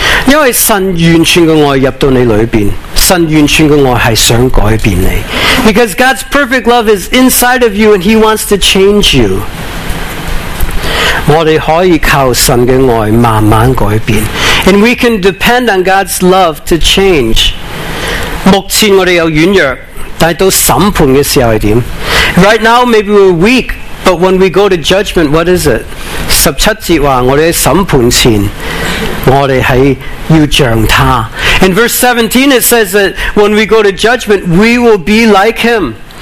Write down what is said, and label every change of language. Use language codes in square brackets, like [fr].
[zh] 因为神完全的爱入到你里面。神完全的爱是想改变你。 [en] Because God's perfect love is inside of you and he wants to change you. [zh] 我们可以靠神的爱慢慢改变, [en] and we can depend on God's love to change. [zh] 目前我们有软弱,但到审判的时候是怎样? [en] Right now maybe we're weak, but when we go to judgment, what is it? [zh] 17节说,我们在审判前,我们是要像他。 [en] In verse 17 it says that when we go to judgment, we will be like him.